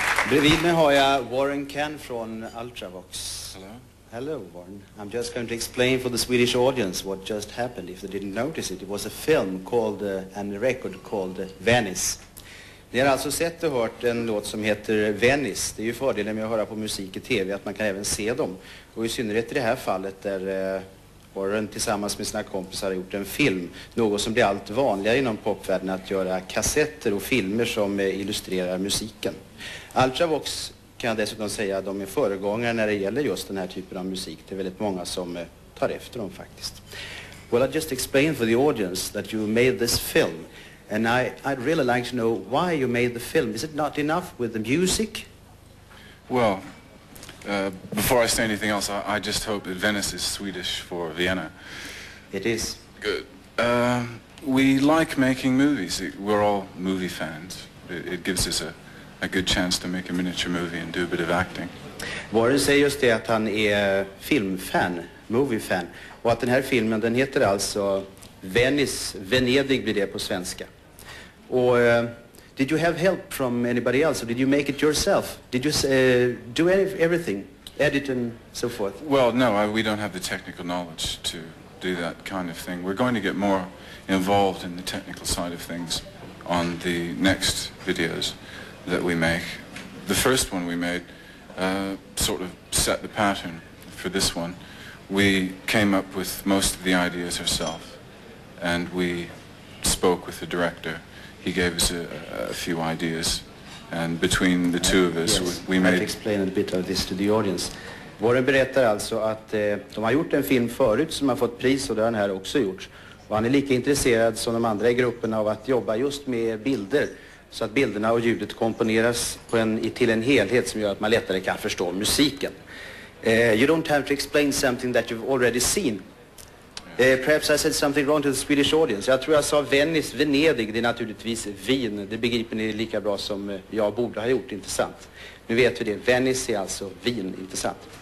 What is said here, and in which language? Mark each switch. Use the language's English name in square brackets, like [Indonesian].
[Swedish] Bredvid mig har jag Warren Cann från Ultravox. [English] Hello. Hello, Warren. I'm just going to explain for the Swedish audience what just happened. If they didn't notice it, it was a film called, and a record called Venice. [Swedish] Ni har alltså sett och hört en låt som heter Venice. Det är ju fördelen med att höra på musik i tv att man kan även se dem. Och i synnerhet i det här fallet där Warren tillsammans med sina kompisar har gjort en film. Något som blir allt vanligare inom popvärlden, att göra kassetter och filmer som illustrerar musiken. Ultravox kan jag dessutom säga, de är föregångare när det gäller just den här typen av musik. Det är väldigt många som tar efter dem faktiskt. [English] Well, I just explained for the audience that you made this film. And I'd really like to know why you made the film. Is it not enough with the music? Well, before I say anything else, I just hope that Venice is Swedish for Vienna. It is. Good. We like making movies. We're all movie fans. It gives us a good chance to make a miniature movie and do a bit of acting. [Swedish] Warren säger just det, att han är filmfan, moviefan. Och att den här filmen, den heter alltså Venice, Venedig blir det på svenska. [English] Or did you have help from anybody else, or did you make it yourself? Did you do everything, edit and so forth? Well, no, we don't have the technical knowledge to do that kind of thing. We're going to get more involved in the technical side of things on the next videos that we make. The first one we made sort of set the pattern for this one. We came up with most of the ideas ourselves, and we spoke with the director. He gave us a few ideas, and between the two of us, we made... Let me explain a bit of this to the audience. [Swedish] Warren berättar alltså att de har gjort en film förut som har fått pris, och det har han här också gjort. Och han är lika intresserad som de andra i gruppen av att jobba just med bilder, så att bilderna och ljudet komponeras på till en helhet som gör att man lättare kan förstå musiken. [English] You don't have to explain something that you've already seen. Perhaps I said something wrong to the Swedish audience. [Swedish] Jag tror jag sa Venice, Venedig, det är naturligtvis Wien. Det begriper ni lika bra som jag borde ha gjort, intressant. Nu vet vi det, Venice är alltså Wien, intressant.